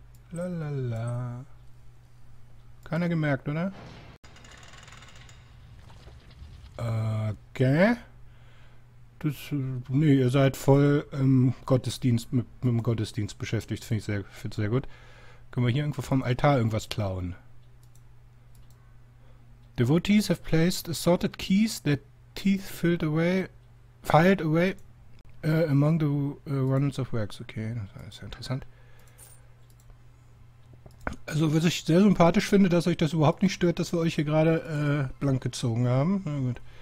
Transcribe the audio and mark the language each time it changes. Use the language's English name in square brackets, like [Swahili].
[German] Lalala. Keiner gemerkt, oder? Okay. Das, nee, ihr seid voll im Gottesdienst, mit dem Gottesdienst beschäftigt. Finde ich sehr, find's sehr gut. Können wir hier irgendwo vom Altar irgendwas klauen? [English] Devotees have placed assorted keys that teeth filed away among the runnels of wax. [German] Okay, das ist ja interessant. Also, was ich sehr sympathisch finde, dass euch das überhaupt nicht stört, dass wir euch hier gerade blank gezogen haben. Na gut.